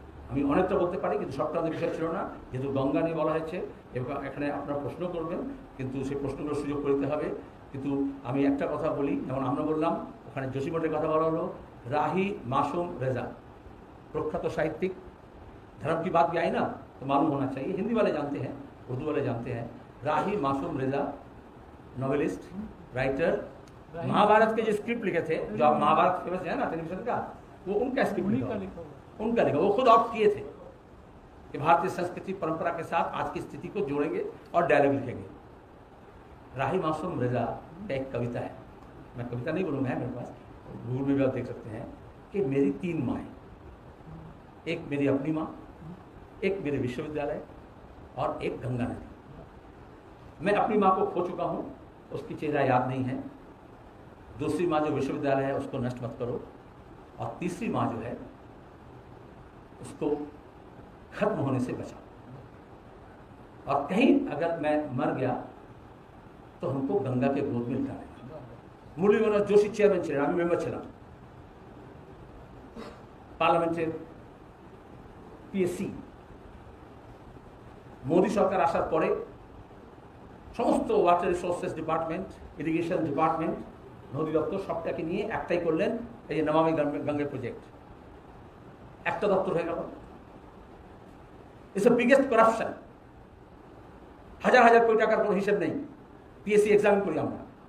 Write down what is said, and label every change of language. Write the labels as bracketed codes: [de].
[bn] আমি অনেকটা বলতে পারি কিন্তু সবটা আমাদের বিষয় ছিল না, যেহেতু গঙ্গা নিয়ে বলা হয়েছে এবং এখানে আপনারা প্রশ্ন করবেন কিন্তু সেই প্রশ্নগুলোর সুযোগ করতে হবে, কিন্তু আমি একটা কথা বলি, যেমন আমরা বললাম ওখানে জোশীমঠের কথা বলা হলো, রাহি মাসুম রেজা প্রখ্যাত সাহিত্যিক, [hi] ধরম কি বাত আই না তো মালুম হোনা চাই, হিন্দি বালে জানতে হ্যাঁ [bn] উর্দু বালে জানতে হ্যাঁ, রাহি মাসুম রেজা [en] novelist writer, [hi] महाभारत के जो स्क्रिप्ट लिखे थे, जो आप महाभारत फेमस है ना टेलीविजन का, वो उनका स्क्रिप्ट लिखा, उनका लिखा, वो खुद ऑप्ट किए थे कि भारतीय संस्कृति परंपरा के साथ आज की स्थिति को जोड़ेंगे और डायलॉग लिखेंगे। राही मासूम रजा का एक कविता है, मैं कविता नहीं बोलूँगा, मेरे पास गूगल में भी आप देख सकते हैं, कि मेरी तीन माएँ, एक मेरी अपनी माँ, एक मेरे विश्वविद्यालय और एक गंगा नदी। मैं अपनी माँ को खो चुका हूँ, उसकी चेहरा याद नहीं है, दूसरी माँ जो विश्वविद्यालय है उसको नष्ट मत करो, और तीसरी माँ जो है उसको खत्म होने से बचाओ, और कहीं अगर मैं मर गया तो हमको गंगा के गोद में लिटा रहेगा। मुरली मनोहर जोशी चेयरमैन चले, मैं मेंबर चला पार्लियामेंट पीएससी, मोदी सरकार आसार पड़े समस्त water resources department, irrigation department, [bn] নদী দপ্তর সবটাকে নিয়ে একটাই করলেন, এই যে নমামি গঙ্গে প্রজেক্ট, একটা দপ্তর হয়ে গেল, [en] it's the biggest corruption, [bn] হাজার হাজার কোটি টাকার কোনো হিসেব নেই, পিএসসি এক্সামিন করি আমরা,